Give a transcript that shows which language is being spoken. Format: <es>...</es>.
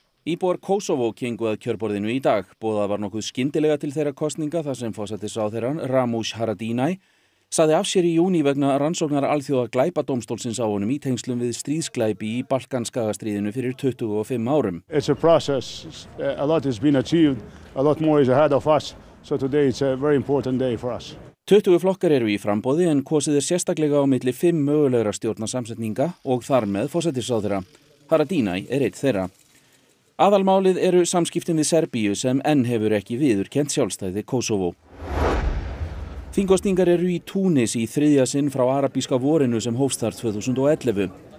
<is>Íbúar Kósovó gengu að kjörborðinu í dag. Boðað var nokkuð skyndilega til þeirra kosninga þar sem forsætisráðherran Ramush Haradinaj sagði af sér í júní vegna rannsóknar alþjóða glæpadómstólsins á honum í tengslum við stríðsglæpi í Balkanskagastríðinu fyrir 25 árum.</is> <en>It's a process. A lot has been achieved. A lot more is ahead of us. So today it's a very important day for us.</en> <is>20 flokkar eru í framboði en kosið sérstaklega á milli 5 mögulegra stjórnarsamsetninga og þar með forsætisráðherra. Haradinaj eitt þeirra. Aðalmálið eru samskiptin við Serbíu sem enn hefur ekki viðurkennt sjálfstæði Kósovó. Þingkosningar eru í Túnis í þriðja sinn frá arabíska vorinu sem hófst þar 2011.</is>